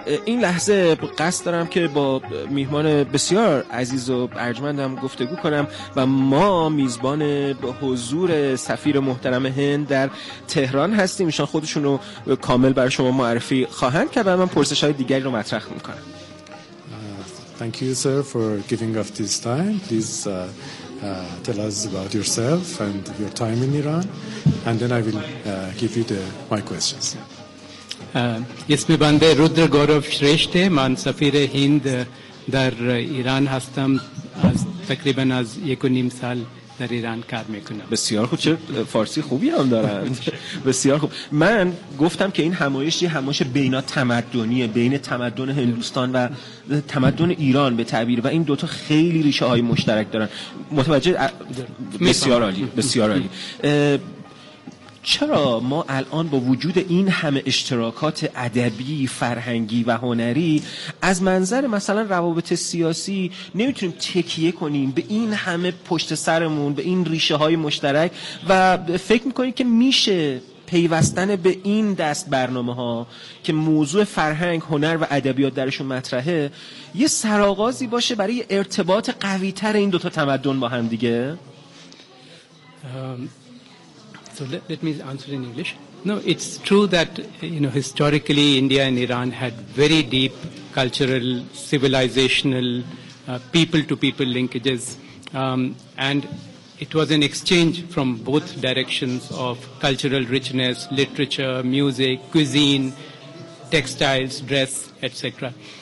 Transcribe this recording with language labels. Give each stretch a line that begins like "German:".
Persian: این لحظه قصد دارم که با میهمان بسیار عزیز و ارجمندم گفتگو کنم و ما میزبان حضور سفیر محترم هند در تهران هستیم. ایشان خودشون رو کامل برای شما معرفی خواهند کرد و من پرسش های دیگری رو مطرح میکنم.
English: Thank you, sir, for giving up this time. Please tell us about yourself and your time in Iran, and then I will give you my questions.
Persian: اسم بنده رودر گوروف شریشته. من سفیر هند در ایران هستم. از تقریبا از 1.5 سال در ایران کار میکنم. بسیار خوب، چه فارسی خوبی هم دارن. بسیار خوب. من گفتم که این همایش یه همایش بین تمدنیه، بین تمدن هندوستان و تمدن ایران به تعبیر، و این دوتا خیلی ریشه های مشترک دارن. متوجه؟ بسیار عالی، بسیار عالی. چرا ما الان با وجود این همه اشتراکات ادبی، فرهنگی و هنری از منظر مثلا روابط سیاسی نمیتونیم تکیه کنیم به این همه پشت سرمون، به این ریشه های مشترک، و فکر میکنید که میشه پیوستن به این دست برنامه ها که موضوع فرهنگ، هنر و ادبیات درشون مطرحه یه سرآغازی باشه برای ارتباط قوی تر این دوتا تمدن با هم دیگه؟
English: So let me answer in English. No, it's true that, you know, historically India and Iran had very deep cultural, civilizational, people-to-people linkages. And it was an exchange from both directions of cultural richness, literature, music, cuisine, textiles, dress, etc.